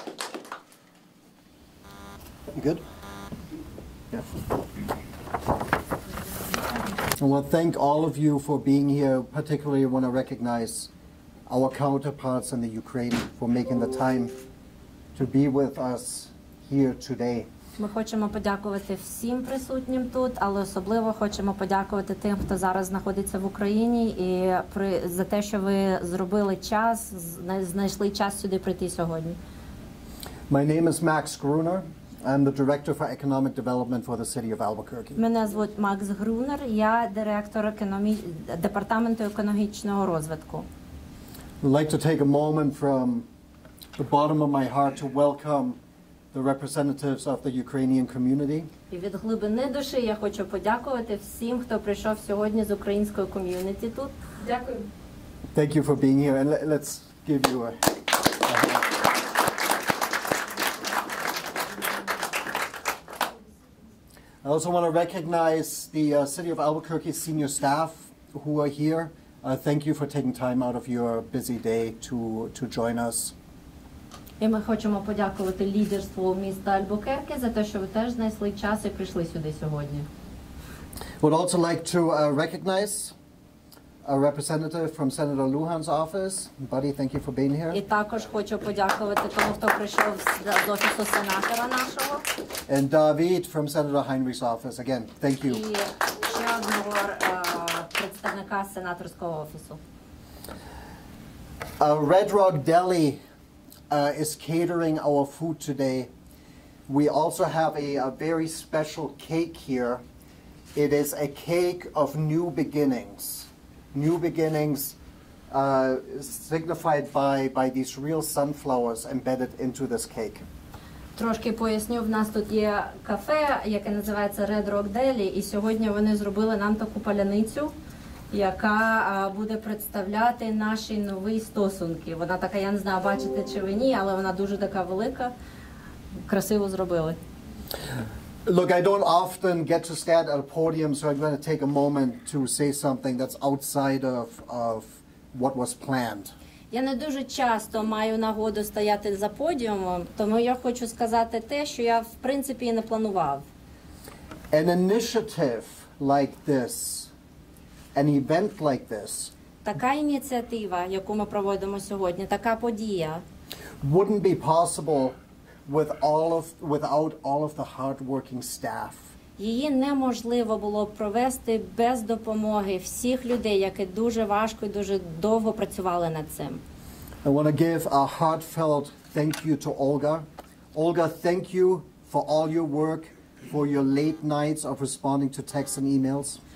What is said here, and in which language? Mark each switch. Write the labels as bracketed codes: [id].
[en] You good? Yeah. I want to thank all of you for being here. Particularly, I want to recognize our counterparts in the Ukraine for making the time to be with us here today. [uk] Ми хочемо подякувати всім присутнім тут, але особливо хочемо подякувати тим, хто зараз знаходиться в Україні, і за те, що ви зробили час, знайшли час сюди прийти сьогодні. [en] My name is Max Gruner. I'm the Director for Economic Development for the City of Albuquerque. [uk] Мене звуть Макс Грунер, я директор департаменту економічного розвитку. [en] I'd like to take a moment from the bottom of my heart to welcome the representatives of the Ukrainian community. [uk] І від глибини душі я хочу подякувати всім, хто прийшов сьогодні з української ком'юніті тут. Дякую. [en] Thank you for being here, and let's give you a hand. I also want to recognize the City of Albuquerque senior staff who are here. Thank you for taking time out of your busy day to join us. [uk] І ми хочемо подякувати лідерству міста Альбукерке за те, що ви теж знайшли час і прийшли сюди сьогодні. [en] Would also like to recognize a representative from Senator Lujan's office. Buddy, thank you for being here. [uk] І також хочу подякувати тому, хто прийшов з офісу сенатора нашого. [en] And David from Senator Heinrich's office. Again, thank you. [uk] І ще одного представника сенаторського офісу. [en] Red Rock Deli is catering our food today. We also have a very special cake here. It is a cake of new beginnings. New beginnings signified by these real sunflowers embedded into this cake. [uk] Трошки поясню, в нас тут є кафе, яке називається Red Rock Deli, і сьогодні вони зробили нам таку паляницю, яка буде представляти наші нові стосунки. Вона така, я не знаю, бачите чи ви ні, але вона дуже така велика, красиво зробили. [en] Look, I don't often get to stand at a podium, so I'm going to take a moment to say something that's outside of what was planned. [uk] Я не дуже часто маю нагоду стояти за подіумом, тому я хочу сказати те, що я, в принципі, і не планував. [en] An initiative like this, an event like this, [uk] така ініціатива, яку ми проводимо сьогодні, така подія, [en] wouldn't be possible without all of the hardworking staff. [uk] Її неможливо було б провести без допомоги всіх людей, які дуже важко і дуже довго працювали над цим. [en] I want to give a heartfelt thank you to Olga. Olga, thank you for all your work, for your late nights of responding to texts and emails.